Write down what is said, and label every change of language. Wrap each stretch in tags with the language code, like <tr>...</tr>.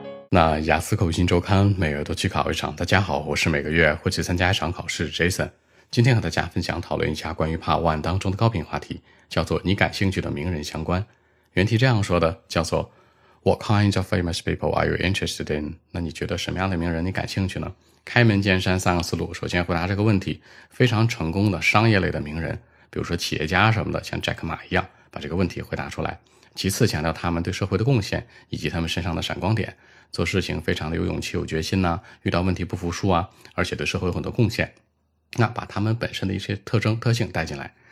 <zh>那雅思口语星周刊每月都去考一场。大家好，我是每个月会去参加一场考试 Jason。今天和大家分享讨论一下关于 Part 1当中的高频话题，叫做你感兴趣的名人相关。原题这样说的，叫做</zh> <en>What kind of famous people are you interested in?</en> <zh>那你觉得什么样的名人你感兴趣呢？开门见山三个思路，首先回答这个问题，非常成功的商业类的名人，比如说企业家什么的，像 Jack Ma 一样把这个问题回答出来。其次强调他们对社会的贡献以及他们身上的闪光点，做事情非常的有勇气有决心呢，遇到问题不服输啊，而且对社会有很多贡献，那把他们本身的一些特征特性带进来。</zh>